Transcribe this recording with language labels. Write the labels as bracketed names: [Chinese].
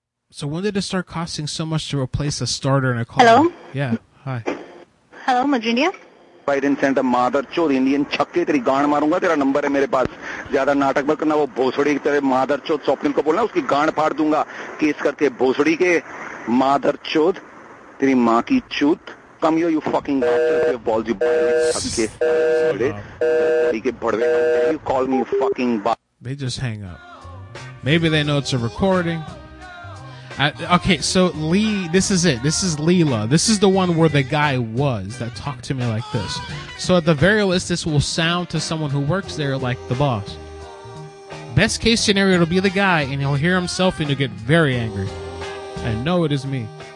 [English] So when did it start costing so much to replace a starter in a call? Hello? Yeah, hi. Hello, Majinia? Biden sent a mother [Hindi] चोद Indian छक्के तेरी गांड मारूंगा तेरा number है मेरे पास ज़्यादा नाटक मत करना वो भोसड़ी की तेरे mother चोद स्वप्निल को बोलना उसकी गांड फाड़ दूंगा केस करके भोसड़ी के mother चोद तेरी माँ की चूत [English] come here you fucking bastard your balls you [Hindi] bastard छक्के तेरी के भड़वे [English] you call me fucking bastard. They just hang up. Maybe they know it's a recording. Okay, so Lee, this is it. This is Leela. This is the one where the guy was that talked to me like this. So at the very least, this will sound to someone who works there like the boss. Best case scenario, it'll be the guy, and he'll hear himself and he'll get very angry. And no, it is me.